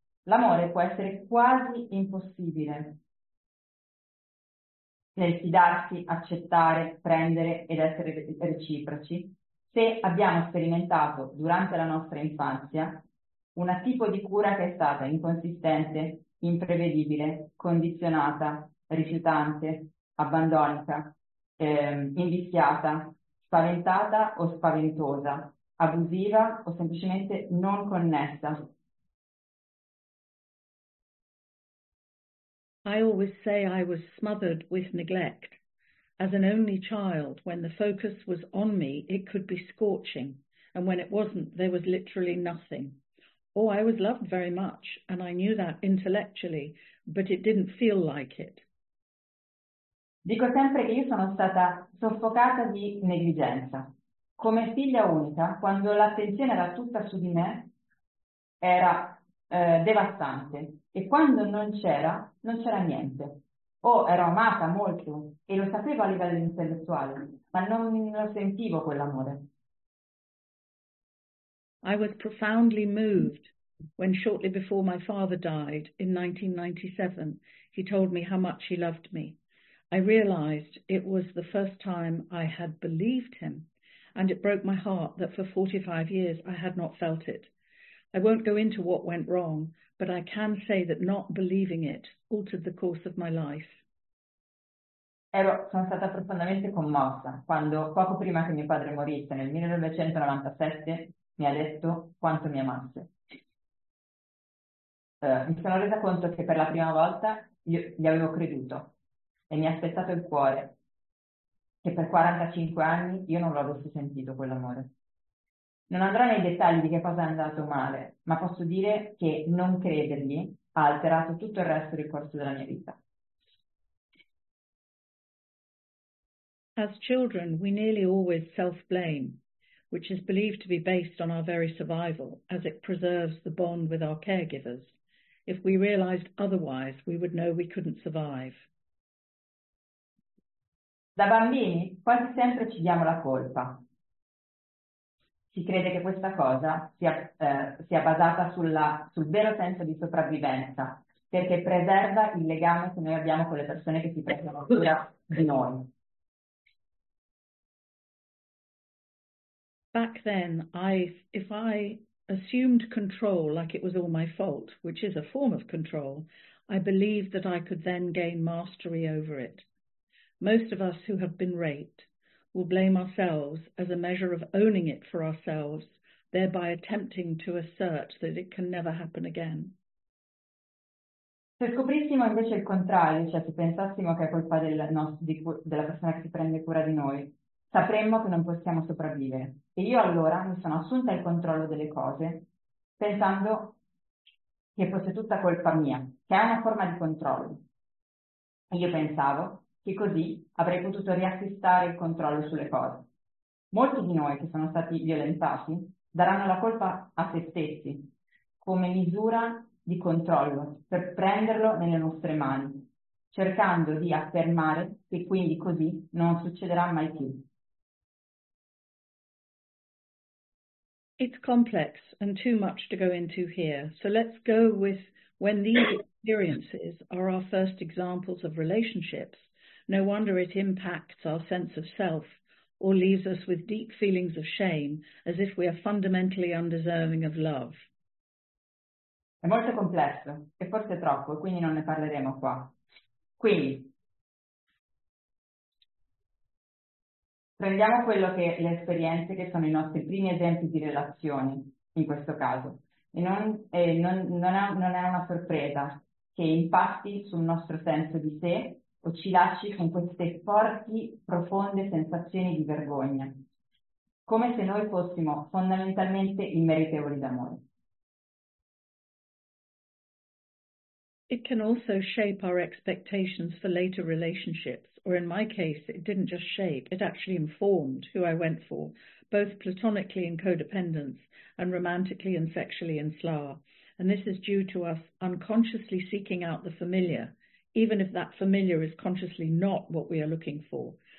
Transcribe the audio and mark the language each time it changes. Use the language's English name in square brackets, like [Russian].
[Italian] L'amore può essere quasi impossibile nel fidarsi, accettare, prendere ed essere reciproci, se abbiamo sperimentato durante la nostra infanzia una tipo di cura che è stata inconsistente, imprevedibile, condizionata, rifiutante, abbandonica, invischiata, spaventata o spaventosa, abusiva o semplicemente non connessa. [English] I always say I was smothered with neglect. As an only child, when the focus was on me, it could be scorching. And when it wasn't, there was literally nothing. Oh, I was loved very much, and I knew that intellectually, but it didn't feel like it. [Italian] Dico sempre che io sono stata soffocata di negligenza. Come figlia unica, quando l'attenzione era tutta su di me, era devastante. E quando non c'era niente. O ero amata molto e lo sapevo a livello intellettuale, ma non sentivo quell'amore. [English] I was profoundly moved when shortly before my father died in 1997, he told me how much he loved me. I realized it was the first time I had believed him, and it broke my heart that for 45 years I had not felt it. I won't go into what went wrong, but I can say that not believing it altered the course of my life. [Italian] Sono stata profondamente commossa quando, poco prima che mio padre morisse nel 1997, mi ha detto quanto mi amasse. Mi sono resa conto che per la prima volta io gli avevo creduto e mi ha spezzato il cuore, che per 45 anni io non l'avessi sentito quell'amore. Non andrò nei dettagli di che cosa è andato male, ma posso dire che non credergli ha alterato tutto il resto del corso della mia vita. [English] As children, we nearly always self-blame, which is believed to be based on our very survival, as it preserves the bond with our caregivers. If we realized otherwise, we would know we couldn't survive. [Italian] Da bambini quasi sempre ci diamo la colpa. Si crede che questa cosa sia basata sul vero senso di sopravvivenza, perché preserva il legame che noi abbiamo con le persone che si prendono cura di noi. [English] Back then, if I assumed control like it was all my fault, which is a form of control, I believed that I could then gain mastery over it. Most of us who have been raped will blame ourselves as a measure of owning it for ourselves, thereby attempting to assert that it can never happen again. [Italian] Se scoprissimo invece il contrario, cioè se pensassimo che è colpa della persona che si prende cura di noi, sapremmo che non possiamo sopravvivere. E io allora mi sono assunta il controllo delle cose, pensando che fosse tutta colpa mia, che è una forma di controllo. E io pensavo che così avrei potuto riacquistare il controllo sulle cose. Molti di noi che sono stati violentati daranno la colpa a se stessi, come misura di controllo, per prenderlo nelle nostre mani, cercando di affermare che quindi così non succederà mai più. [English] It's complex and too much to go into here, so let's go with when these experiences are our first examples of relationships, no wonder it impacts our sense of self or leaves us with deep feelings of shame as if we are fundamentally undeserving of love. [Italian] È molto complesso e forse troppo, quindi non ne parleremo qua. Quindi, prendiamo quello che le esperienze che sono i nostri primi esempi di relazioni, in questo caso, e non è una sorpresa che impatti sul nostro senso di sé o ci lasci con queste forti, profonde sensazioni di vergogna, come se noi fossimo fondamentalmente immeritevoli d'amore. [English] It can also shape our expectations for later relationships, or in my case, it didn't just shape, it actually informed who I went for, both platonically in codependence and romantically and sexually in SLA. And this is due to us unconsciously seeking out the familiar, even if that familiar is consciously not what we are looking for.